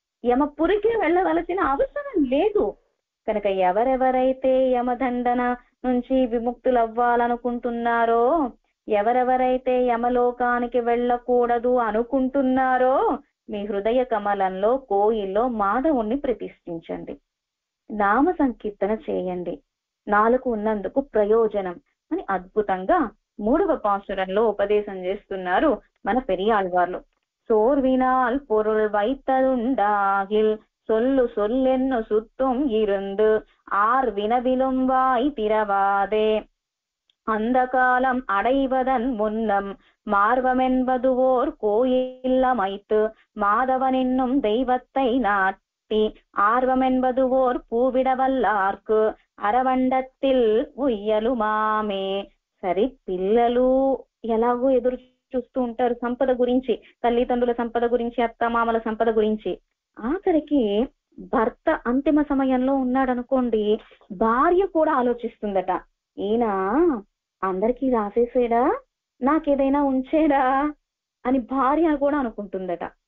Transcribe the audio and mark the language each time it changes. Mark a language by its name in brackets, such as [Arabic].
[Telugu] యమపురికే వెళ్ళవలసిన అవసరం లేదు. కనుక ఎవరెవరైతే యమదండన నుంచి విముక్తులు అవ్వాలనుకుంటున్నారో, ఎవరెవరైతే యమలోకానికి వెళ్ళకూడదు అనుకుంటున్నారో, మీ హృదయ కమలంలో కోయిల్లో మాధవుణ్ణి ప్రతిష్ఠించండి. నామ సంకీర్తన చేయండి. నాలుగు ఉన్నందుకు ప్రయోజనం అని అద్భుతంగా మూడవ పాశురంలో ఉపదేశం చేస్తున్నారు మన పెరియాళ్వార్లు. [Tamil] సోర్వినాల్ పొరుల్ వైతరుండాగి சொல்லு சொல்லென்னு சுத்தும் இருந்து ஆர் வினவிலும் வாய் திரவாதே. அந்த காலம் அடைவதன் முன்னம் மார்வமென்பது ஓர் கோயிலமைத்து மாதவன் என்னும் தெய்வத்தை நாட்டி ஆர்வமென்பது ஓர் பூவிடவல்லார்க்கு அரவண்டத்தில் உய்யலு மாமே. [Telugu] சரி, பிள்ளலு எலாகோ எதிர் చూస్తూ ఉంటారు సంపద గురించి, తల్లిదండ్రుల సంపద గురించి, అత్తమామల సంపద గురించి. ఆఖరికి భర్త అంతిమ సమయంలో ఉన్నాడనుకోండి, భార్య కూడా ఆలోచిస్తుందట, ఈయన అందరికీ రాసేసేడా, నాకేదైనా ఉంచేడా అని భార్య కూడా అనుకుంటుందట.